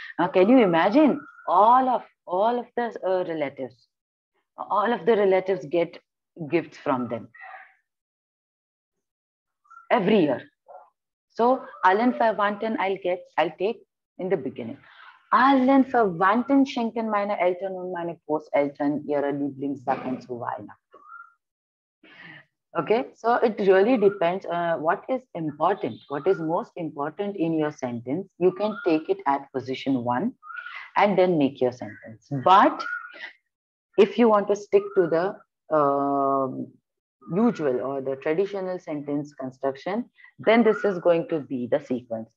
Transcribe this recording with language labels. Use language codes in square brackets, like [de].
[en] Now can you imagine all of the relatives get gifts from them. Every year. So, [de] allen Verwandten [en] I'll take in the beginning. [de] Allen Verwandten schenken meine Eltern und meine Großeltern ihre Lieblingssachen zu Weihnachten. [en] Okay, so it really depends what is important, what is most important in your sentence. You can take it at position one and then make your sentence. But if you want to stick to the usual or the traditional sentence construction, then this is going to be the sequence.